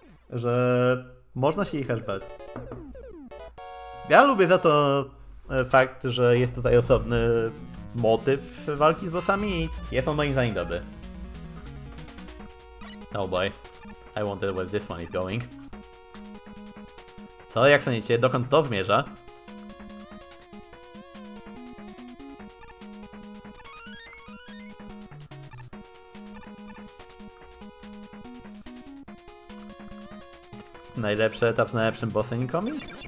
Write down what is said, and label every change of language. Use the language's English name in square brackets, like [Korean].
[Polish] Że można się ich aż bać. Ja lubię za to fakt, że jest tutaj osobny motyw walki z bossami i jest on moim zdaniem dobry. [English] Oh boy, I wonder where this one is going. [Polish] Co, jak sądzicie, dokąd to zmierza? Najlepszy etap z najlepszym bossem incoming?